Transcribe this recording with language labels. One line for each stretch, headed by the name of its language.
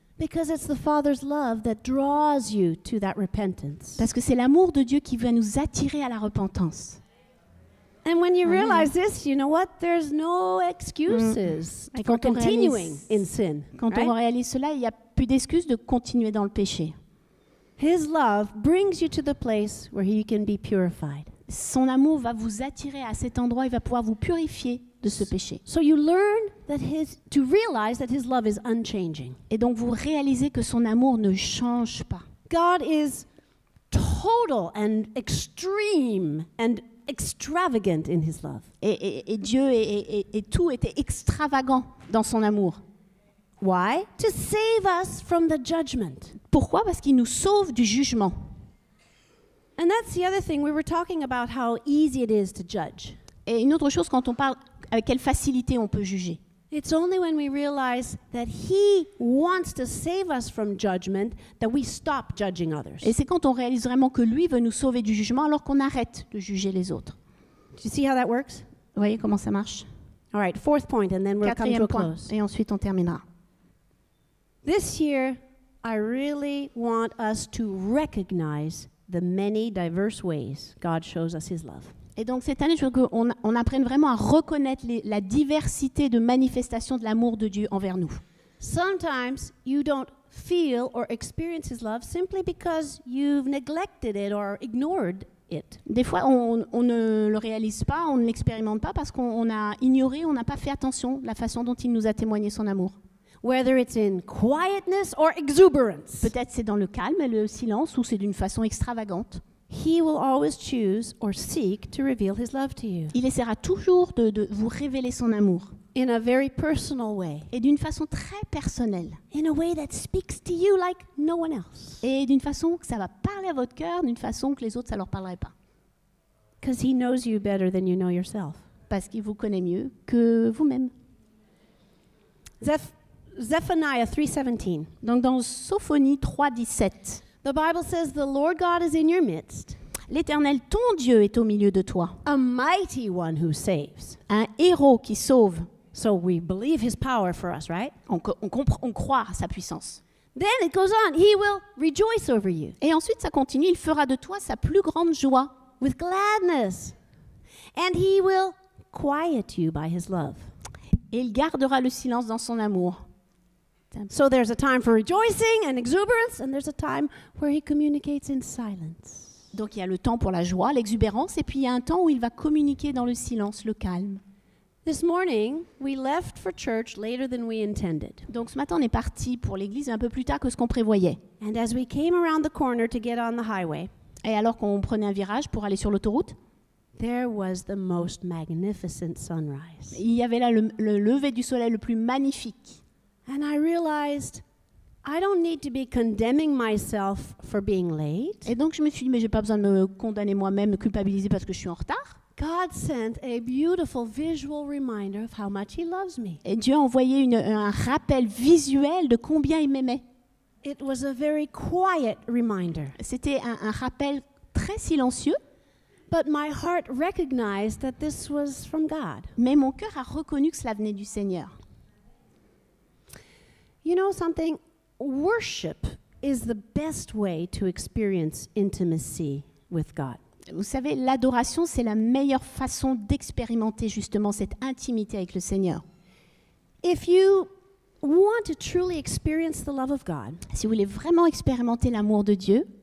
English: Because it's the Father's love that draws you to that repentance.
French: Parce que c'est l'amour de Dieu qui va nous attirer à la repentance.
English: And when you realize this, you know what? There's no excuses for continuing in sin.
French: Quand on réalise cela, il n'y a plus d'excuses de continuer dans le péché.
English: His love brings you to the place where you can be purified.
French: Son amour va vous attirer à cet endroit et va pouvoir vous purifier de ce péché.
English: So you learn to realize that his love is unchanging.
French: Et donc vous réalisez que son amour ne change pas.
English: God is total and extreme and extravagant in his love.
French: Et Dieu et tout était extravagant dans son amour.
English: Why? To save us from the judgment.
French: Pourquoi? Parce qu'il nous sauve du jugement.
English: And that's the other thing we were talking about, how easy it is to judge.
French: Et une autre chose, quand on parle avec quelle facilité on peut juger.
English: It's only when we realize that he wants to save us from judgment that we stop judging others.
French: Et c'est quand on réalise vraiment que lui veut nous sauver du jugement alors qu'on arrête de juger les autres.
English: Do you see how that works?
French: Vous voyez comment ça marche?
English: All right, fourth point and then we'll
French: Quatrième
English: come to
French: point,
English: a close.
French: Et ensuite on terminera.
English: This year I really want us to recognize the many diverse ways God shows us his love.
French: Et donc cette année, je veux qu'on apprenne vraiment à reconnaître la diversité de manifestations de l'amour de Dieu envers nous.
English: Sometimes you don't feel or experience his love simply because you've neglected it or ignored it.
French: Des fois on ne le réalise pas, on ne l'expérimente pas parce qu'on a ignoré, on n'a pas fait attention à la façon dont il nous a témoigné son amour.
English: Whether it's in quietness or exuberance.
French: Peut-être c'est dans le calme et le silence ou c'est d'une façon extravagante.
English: He will always choose or seek to reveal his love to you.
French: Il essaiera toujours de vous révéler son amour.
English: In a very personal way.
French: Et d'une façon très personnelle.
English: In a way that speaks to you like no one else.
French: Et d'une façon que ça va parler à votre cœur, d'une façon que les autres ça leur parlerait pas.
English: Because he knows you better than you know yourself.
French: Parce qu'il vous connaît mieux que vous-même.
English: Zephaniah 3:17.
French: Donc dans Sophonie 3:17.
English: The Bible says the Lord God is in your midst.
French: L'Éternel ton Dieu est au milieu de toi.
English: A mighty one who saves.
French: Un héros qui sauve.
English: So we believe his power for us, right?
French: On croit à sa puissance.
English: Then it goes on, he will rejoice over you.
French: Et ensuite ça continue, il fera de toi sa plus grande joie.
English: With gladness. And he will quiet you by his love.
French: Et il gardera le silence dans son amour.
English: So there's a time for rejoicing and exuberance, and there's a time where he communicates in silence.
French: Donc il y a le temps pour la joie, l'exubérance, et puis il y a un temps où il va communiquer dans le silence, le calme.
English: This morning, we left for church later than we intended.
French: Donc ce matin, on est parti pour l'église un peu plus tard que ce qu'on prévoyait.
English: And as we came around the corner to get on the highway,
French: et alors qu'on prenait un virage pour aller sur l'autoroute,
English: there was the most magnificent sunrise.
French: Il y avait là le lever du soleil le plus magnifique.
English: And I realized I don't need to be condemning myself for being late.
French: Et donc je me suis dit mais j'ai pas besoin de me condamner moi-même, me culpabiliser parce que je suis en retard.
English: God sent a beautiful visual reminder of how much he loves me.
French: Et Dieu a envoyé un rappel visuel de combien il m'aimait.
English: It was a very quiet reminder.
French: C'était un rappel très silencieux.
English: But my heart recognized that this was from God.
French: Mais mon cœur a reconnu que cela venait du Seigneur.
English: You know something? Worship is the best way to experience intimacy with God.
French: Vous savez, l'adoration, c'est la meilleure façon d'expérimenter justement cette intimité avec le Seigneur.
English: If you want to truly experience the love of God,
French: si vous voulez vraiment expérimenter l'amour de Dieu,